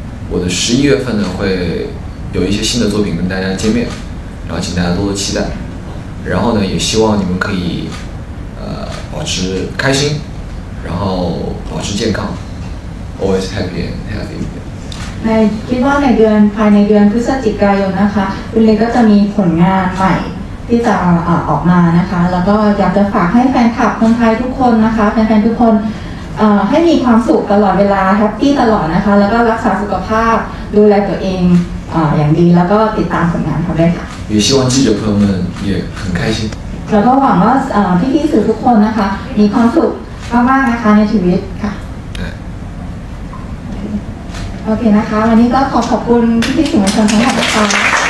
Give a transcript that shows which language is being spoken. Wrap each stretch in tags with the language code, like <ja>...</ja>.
<zh>我的十一月份呢会有一些新的作品跟大家见面，然后请大家多多期待。然后呢，也希望你们可以保持开心，然后保持健康 ，</zh> <en>always happy and healthy。</en> <th>ในคิดว่าในเดือนภายในเดือนพฤศจิกายนนะคะคุณลินก็จะมีผลงานใหม่ที่จะออกมานะคะแล้วก็อยากจะฝากให้แฟนคลับคนไทยทุกคนนะคะแฟนๆทุกคนให้มีความสุขตลอดเวลาแฮปปี้ตลอดนะคะแล้วก็รักษาสุขภาพดูแลตัวเองอย่างดีแล้วก็ติดตามผลงานเขาด้วยค่ะ</th> <zh>也希望记者朋友们也很开心</zh> <th>แล้วก็หวังว่าพี่ๆสื่อทุกคนนะคะมีความสุขมากๆนะคะในชีวิตค่ะโอเคนะคะวันนี้ก็ขอบคุณพี่ๆสื่อมวลชนทั้งหมดนะคะ</th>